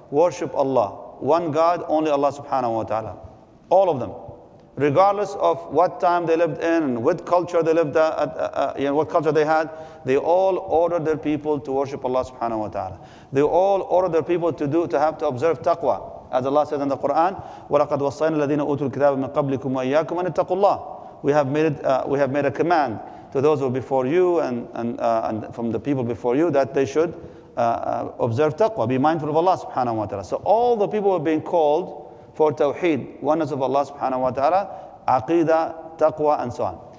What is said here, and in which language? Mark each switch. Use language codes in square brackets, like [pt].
[en] Worship Allah. One God, only Allah subhanahu wa ta'ala. All of them. Regardless of what time they lived in, what culture they lived at, what culture they had, they all ordered their people to worship Allah subhanahu wa ta'ala. They all ordered their people to observe taqwa. [ar] As Allah says in the Quran, وَلَقَدْ وَصَّيْنَا الَّذِينَ أُوتُوا الْكِتَابَ مِنْ قَبْلِكُمْ وَإِيَّاكُمْ أَنِ اتَّقُوا اللَّهِ. [en] We have made a command to those who are before you and from the people before you that they should observe taqwa, be mindful of Allah subhanahu wa ta'ala. So all the people were being called for tawheed, oneness of Allah subhanahu wa ta'ala, aqidah, taqwa, and so on.